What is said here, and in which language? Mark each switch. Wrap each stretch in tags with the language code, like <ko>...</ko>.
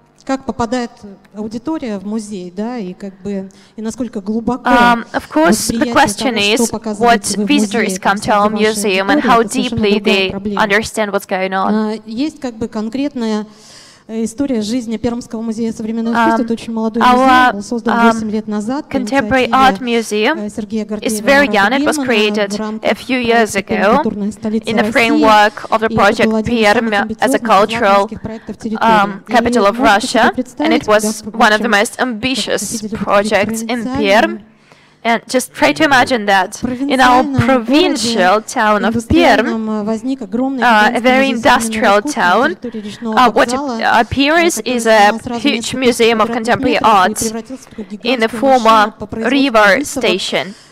<ru>как попадает аудитория в музей, да, и как бы и насколько глубоко.</ru> <en>Of course, the question is what visitors come to our museum and how deeply they understand what's going on.</en> <ru>Есть как бы конкретная история жизни Пермского музея современного искусства. Это очень молодой музей, был создан 8 лет назад.</ru> <en>Contemporary Art Museum is very young. It was created a few years ago in the framework of the project PERMM as a cultural capital of Russia, and it was one of the most ambitious projects in PERMM. And just try to imagine that in our provincial town of Perm, a very industrial town, what appears is a huge museum of contemporary art in the former river station.</en>